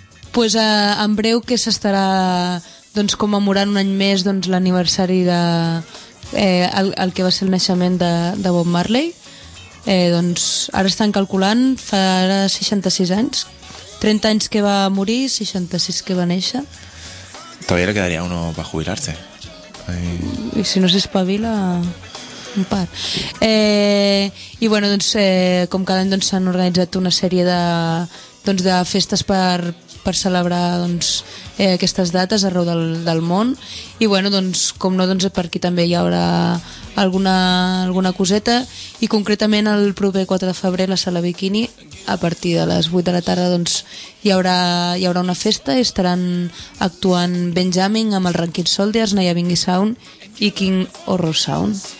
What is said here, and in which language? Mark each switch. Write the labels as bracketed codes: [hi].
[ca] Pues en breu que s'estarà doncs commemorant un any més doncs l'aniversari de el que va ser el naixement de Bob Marley. Doncs ara estan calculant, fa ara 66 anys, 30 anys que va morir, 66 que va néixer. [es] Todavía le quedaría uno para jubilarse. [ca] I si no s'espavila un par. I bueno, doncs com cada any doncs s'han organitzat una sèrie de doncs de festes per celebrar doncs aquestes dates arreu del món. I bueno, doncs com no, doncs per aquí també hi haurà alguna coseta, i concretament el proper 4 de febrer a la Sala Bikini a partir de les 8 de la tarda doncs hi haurà una festa, i estaran actuant Benjamin amb el Rankin Soldiers, Naya Bingy Sound i King Horror Sound.